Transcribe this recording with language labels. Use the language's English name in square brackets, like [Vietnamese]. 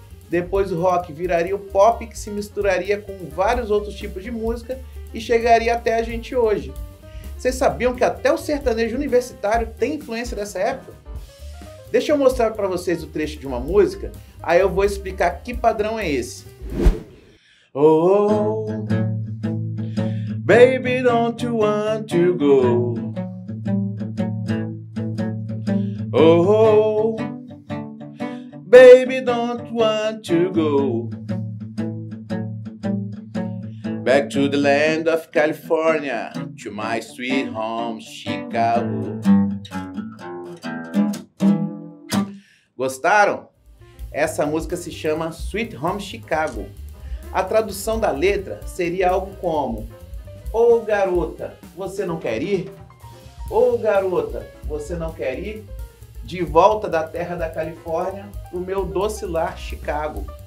[Portuguese] Depois o rock viraria o pop, que se misturaria com vários outros tipos de música e chegaria até a gente hoje. Vocês sabiam que até o sertanejo universitário tem influência dessa época? Deixa eu mostrar para vocês o trecho de uma música, aí eu vou explicar que padrão é esse. [English] Oh, baby, don't you want to go? Oh, baby, don't want to go? Back to the land of California, to my sweet home, Chicago. [Portuguese] Gostaram? Essa música se chama Sweet Home Chicago. A tradução da letra seria algo como: ou garota, você não quer ir? Ou garota, você não quer ir? De volta da terra da Califórnia, o meu doce lar Chicago.